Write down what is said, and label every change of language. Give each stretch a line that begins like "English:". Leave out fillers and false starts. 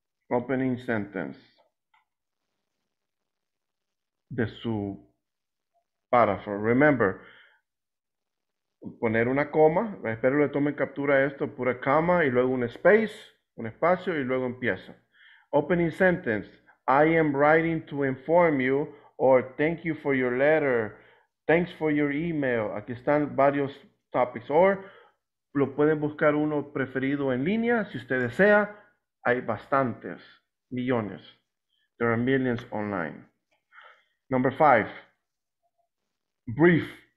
Spanish: Opening sentence de su párrafo. Remember, poner una coma, espero le tomen captura a esto, pura coma y luego un space, un espacio y luego empieza.
English: Opening sentence, I am writing to inform you or thank you for your letter, thanks for your email.
Spanish: Aquí están varios topics or lo pueden buscar uno preferido en línea si usted desea. Hay bastantes, millones.
English: There are millions online. Number five. Brief.